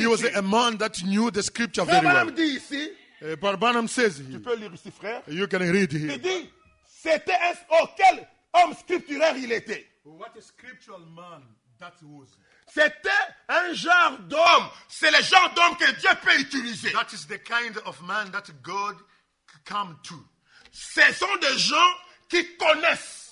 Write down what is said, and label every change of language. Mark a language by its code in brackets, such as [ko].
[en] He was a man that knew the scripture very well. [fr] Dit ici, [en] Branham says here, [fr] tu peux lire ici, frère. [en] You can read here. [fr] Il dit, c'était un quel homme scripturaire il était. [en] What a scriptural man that was. [fr] C'était un genre d'homme. C'est le genre d'homme que Dieu peut utiliser. [en] That is the kind of man that God come to. [fr] Ce sont des gens qui connaissent.